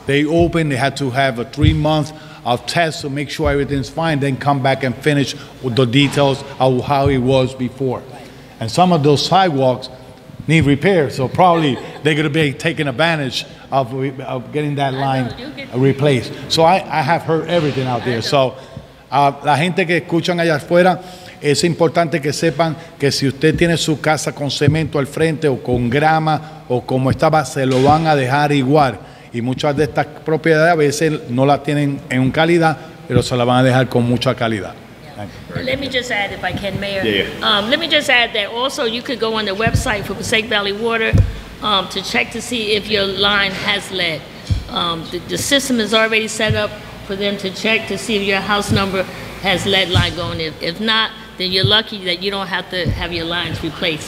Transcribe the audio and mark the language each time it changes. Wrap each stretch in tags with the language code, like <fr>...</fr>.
<en>They open, they had to have a 3 month of tests to make sure everything's fine, then come back and finish with the details of how it was before. And some of those sidewalks need repair, so probably they're gonna be taking advantage of getting that line replaced. So I have heard everything out there.</en> <es>So la gente que escuchan allá afuera, es importante que sepan que si usted tiene su casa con cemento al frente o con grama o como estaba, se lo van a dejar igual. Y muchas de estas propiedades a veces no las tienen en calidad, pero se la van a dejar con mucha calidad.</es> <en>Let me just add, if I can, Mayor. Yeah. Let me just add that also you could go on the website for Passaic Valley Water to check to see if your line has lead. The system is already set up for them to check to see if your house number has lead line going. If not, then you're lucky that you don't have to have your lines replaced.</en>